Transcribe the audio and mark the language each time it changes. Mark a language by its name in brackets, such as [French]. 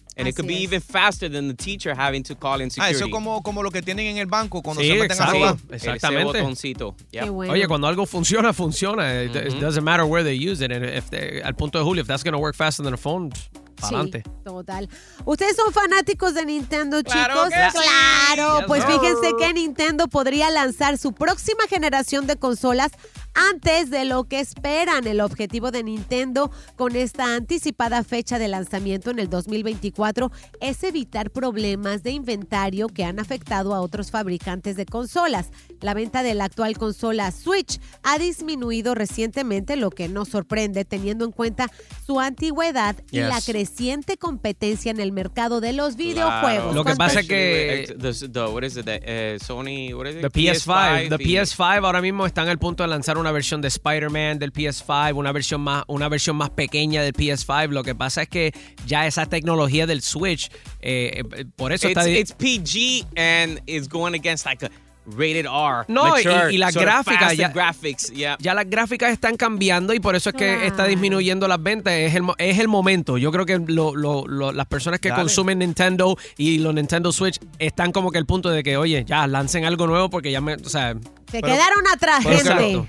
[English] And it could be even faster than the teacher having to call in security. [Spanish] Eso es como lo que tienen en el banco cuando se meten a robar. Exactamente. Ese botoncito. Yep. Bueno. Oye, cuando algo funciona, funciona. Mm-hmm. [English] It doesn't matter where they use it. And [Spanish] al punto de Julio, [English] if that's going to work faster than a phone, adelante. [Spanish] Sí, total. ¿Ustedes son fanáticos de Nintendo, chicos? ¡Claro! ¡Claro! Sí. Pues fíjense que Nintendo podría lanzar su próxima generación de consolas antes de lo que esperan. El objetivo de Nintendo con esta anticipada fecha de lanzamiento en el 2024 es evitar problemas de inventario que han afectado a otros fabricantes de consolas. La venta de la actual consola Switch ha disminuido recientemente, lo que no sorprende teniendo en cuenta su antigüedad y la creciente competencia en el mercado de los videojuegos. Lo que pasa es que PS5 ahora mismo están al punto de lanzar una versión de Spider-Man del PS5, una versión más pequeña del PS5. Lo que pasa es que ya esa tecnología del Switch, por eso [English] it's PG and it's going against like a rated R. [Spanish] No, mature, y la gráfica ya. [English] Graphics, yeah. [Spanish] Ya las gráficas están cambiando y por eso es que está disminuyendo las ventas. Es el momento. Yo creo que las personas que consumen Nintendo y los Nintendo Switch están como que al punto de que, oye, ya lancen algo nuevo porque ya me. O sea. Se quedaron atrás, gente.